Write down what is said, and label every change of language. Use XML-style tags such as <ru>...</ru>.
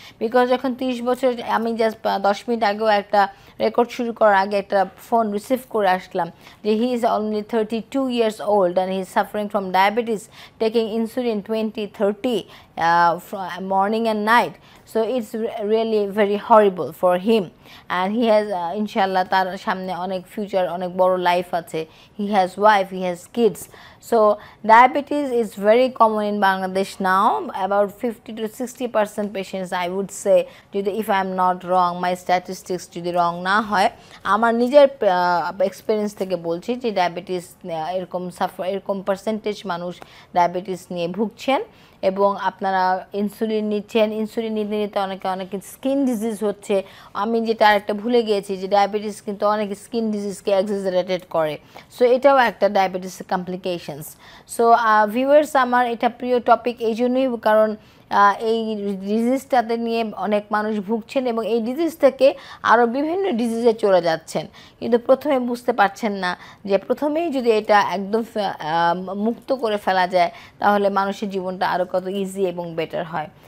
<bn>Because যখন 30 বছর, আমি জাস্ট 10 মিনিট আগেও একটা রেকর্ড শুরু করার আগে একটা ফোন রিসিভ করে আসলাম যে</bn> <en>he is only 32 years old and he is suffering from diabetes, taking insulin 20-30 morning and night, so it's really very horrible for him and he has ইনশাল্লাহ</en> <bn>তার সামনে অনেক ফিউচার, অনেক বড়ো লাইফ আছে,</bn> <en>He has wife, he has kids. So diabetes is very common in Bangladesh now, about 50-60% patients I would say, if I am not wrong,</en> <bn>my statistics jodi wrong na hoy, amar nijer experience theke bolchi je diabetes erkom suffer, erkom percentage manush diabetes niye bhugchen, এবং আপনারা insulin নিচ্ছেন, insulin নিতে নিতে অনেকে অনেকে skin disease হচ্ছে। আমি যেটা আরেকটা ভুলে গিয়েছি যে ডায়াবেটিস কিন্তু অনেকে স্কিন ডিজিজকে এক্সাজারেটেড করে, সো এটাও একটা ডায়াবেটিস কমপ্লিকেশনস। সো ভিউয়ার্স, আমার এটা প্রিয় টপিক এই জন্যই কারণ এই ডিজিজটাতে নিয়ে অনেক মানুষ ভুগছেন এবং এই ডিজিজ থেকে আরও বিভিন্ন ডিজিজে চলে যাচ্ছেন, কিন্তু প্রথমে বুঝতে পারছেন না যে প্রথমেই যদি এটা একদম মুক্ত করে ফেলা যায় তাহলে মানুষের জীবনটা আরও কত ইজি এবং বেটার হয়।</bn>